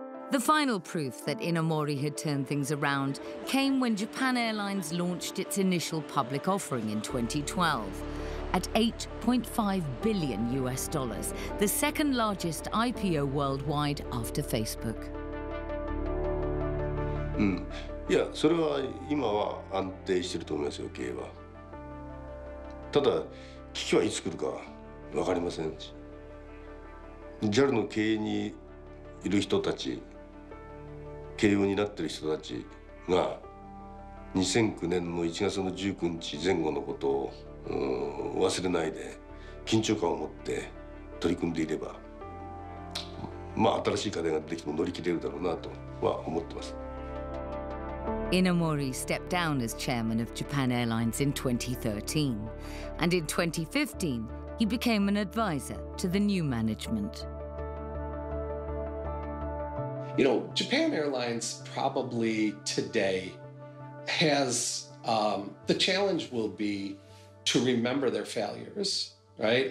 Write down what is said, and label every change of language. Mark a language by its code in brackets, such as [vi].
[en] The final proof that Inomori had turned things around came when Japan Airlines launched its initial public offering in 2012 at $8.5 billion, the second largest IPO worldwide after Facebook. [ja] Yeah, それは今は安定してると思いますよ、経営は。ただ、危機はいつ来るか分かりませんし。 JAL の経営にいる人たち、経営になっている人たちが2009年の1月の19日前後のことを忘れないで緊張感を持って取り組んでいれば、まあ新しい課題ができても乗り切れるだろうなとは思ってます。 [en] Inomori stepped down as chairman of Japan Airlines in 2013 and in 2015 he became an advisor to the new management. You know, Japan Airlines probably today has, the challenge will be to remember their failures, right?